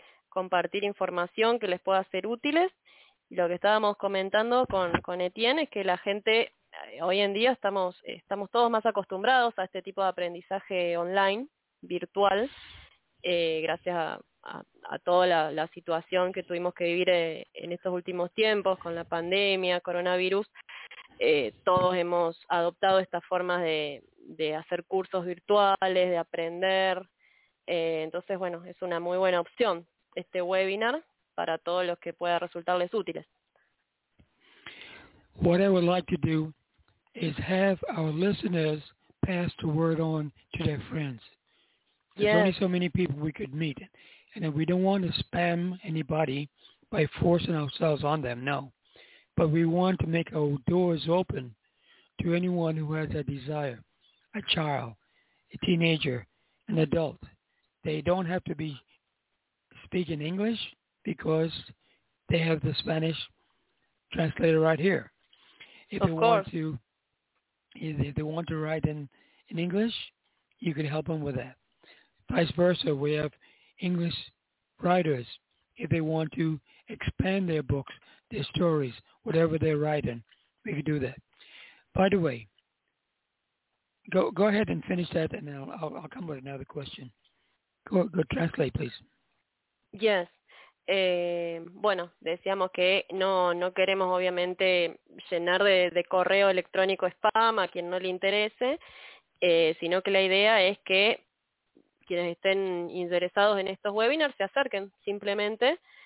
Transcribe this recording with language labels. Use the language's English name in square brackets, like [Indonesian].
[Spanish] compartir información que les pueda ser útiles. Y lo que estábamos comentando con Etienne es que la gente, hoy en día estamos todos más acostumbrados a este tipo de aprendizaje online, virtual, gracias a toda la situación que tuvimos que vivir en estos últimos tiempos con la pandemia, coronavirus. Todos hemos adoptado estas formas de hacer cursos virtuales, de aprender. Entonces, bueno, es una muy buena opción este webinar para todos los que pueda resultarles útiles. [English] What I would like to do is have our listeners pass the word on to their friends. There's Yes. only so many people we could meet. And we don't want to spam anybody by forcing ourselves on them, no. But we want to make our doors open to anyone who has a desire, a child, a teenager, an adult. They don't have to be speaking English because they have the Spanish translator right here. If they Of want course. to, if they want to write in English, you can help them with that. Vice versa, we have English writers. If they want to expand their books, their stories, whatever they're writing, we can do that. By the way, go ahead and finish that, and then I'll come with another question. Go translate, please. Yes. [Spanish] Bueno, decíamos que no queremos obviamente llenar de correo electrónico spam a quien no le interese, sino que la idea es que quienes estén interesados en estos webinars se acerquen simplemente.